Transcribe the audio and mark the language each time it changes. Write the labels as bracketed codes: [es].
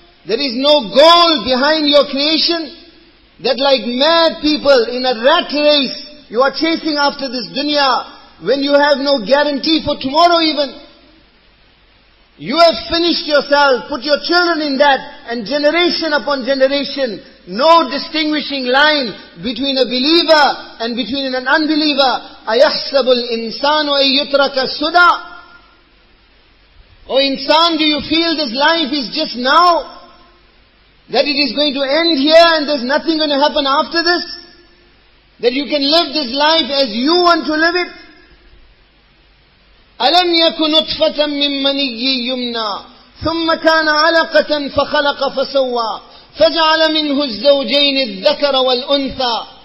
[en] There is no goal behind your creation. That like mad people in a rat race, you are chasing after this dunya when you have no guarantee for tomorrow even. You have finished yourself, put your children in that, and generation upon generation, no distinguishing line between a believer and between an unbeliever. [ar] أَيَحْسَبُ الْإِنسَانُ أَيُّتْرَكَ سُدَى. [en] O insan, do you feel this life is just now? That it is going to end here and there's nothing going to happen after this? That you can live this life as you want to live it? [ar] أَلَمْ يَكُ نُطْفَةً مِّن مَنِيِّ يُمْنَى ثُمَّ كَانَ عَلَقَةً فَخَلَقَ فَسَوَّى فَجَعَلَ مِنْهُ الزَّوْجَيْنِ الذَّكَرَ وَالْأُنْثَى.